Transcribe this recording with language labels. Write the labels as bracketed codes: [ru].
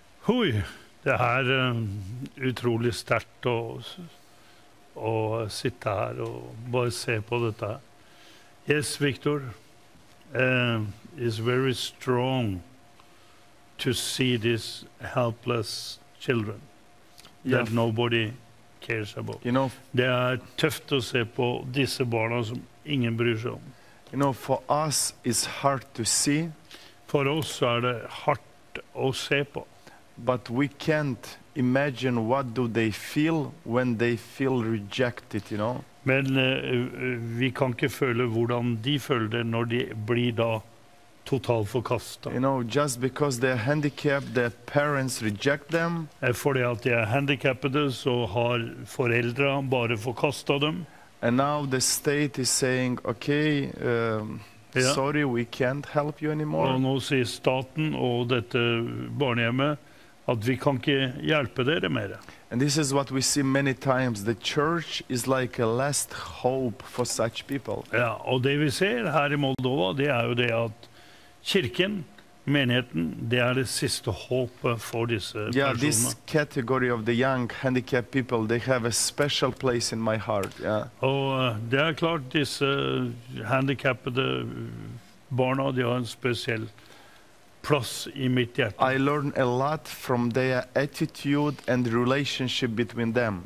[no] Oi, det er utrolig sterkt å sitte her og bare se på dette. [en] Yes, Victor, it's very strong to see these helpless children that nobody cares about. You know, [no] det er tøft å se på disse barna som ingen bryr seg om. [en] You know, for us it's hard to see. [no] For oss er det hardt å se på. [en] But we can't imagine what do they feel when they feel rejected, you know. [no] Men vi kan ikke føle hvordan de føler det når de blir da totalt forkastet. [en] You know, just because they're handicapped, their parents reject them. [no] Fordi at de er handicappede, så har foreldre bare forkastet dem. [en] And now the state is saying, okay, sorry, we can't help you anymore. [no] Og nå sier staten og dette barnehjemmet, at vi kan ikke hjelpe dere mer. [en] And this is what we see many times. The church is like a last hope for such people. [no] Ja, og det vi ser her i Moldova, det er jo det at kirken, menigheten, det er det siste håpet for disse personene. [en] Yeah, this category of the young handicapped people, they have a special place in my heart, yeah. [no] Og det er klart, disse handicappede barna, de har en spesiell plass i mitt hjerte. [en] I learn a lot from their attitude and relationship between them.